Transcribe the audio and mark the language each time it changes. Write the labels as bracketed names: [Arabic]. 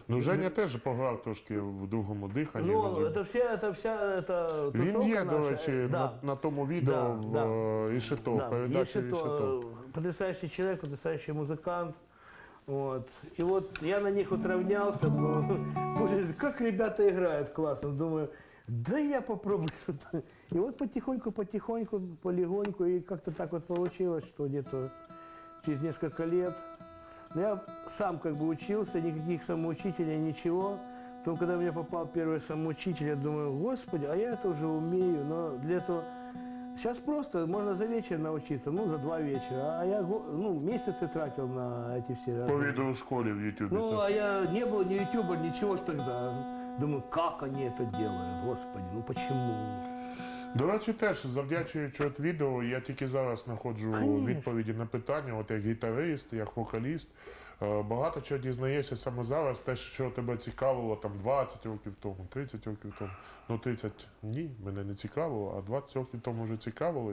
[Russian] Ну, Женя тоже пограл трошки в «Другом дыхании». Ну, это вся [Ukrainian] він є, до речі, на тому відео в Ішито, передачі Ішито. [Russian] Потрясающий человек, потрясающий музыкант. Вот. И вот я на них утравнялся, но говорит, как ребята играют классно. Думаю, да я попробую что-то. И вот потихоньку, полегоньку, и как-то так вот получилось, что где-то через несколько лет. Я сам как бы учился, никаких самоучителей, ничего. Потом, когда у меня попал первый самоучитель, я думаю, господи, а я это уже умею. Но для этого сейчас просто, можно за вечер научиться, ну, за два вечера. А я месяцы тратил на эти все... По видео в школе в Ютубе. Ну, а я не был ни ютубер, ничего ж тогда. Думаю, как они это делают, господи, ну почему? [Ukrainian] До речі, теж завдячуючи от відео, я тільки зараз знаходжу відповіді на питання, от як гітарист, як вокаліст. Багато чого дізнаєшся саме зараз, те, що тебе цікавило там 20 років тому, 30 років тому. Ну 30 – ні, мене не цікавило, а 20 років тому вже цікавило.